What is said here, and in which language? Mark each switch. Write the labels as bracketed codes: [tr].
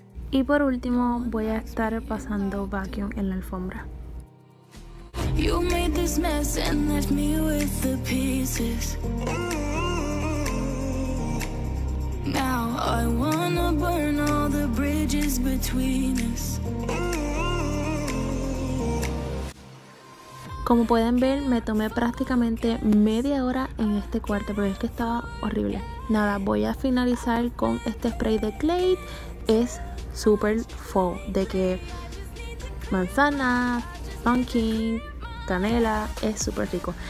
[es] Y por último, voy a estar pasando vacuum en la alfombra. [en] You made this mess and left me with the pieces. Now I wanna burn all the bridges between us. [es] Como pueden ver, me tomé prácticamente media hora en este cuarto, pero es que estaba horrible. Nada, voy a finalizar con este spray de Glade. Es super faux, de que manzana, pumpkin, canela, es super rico.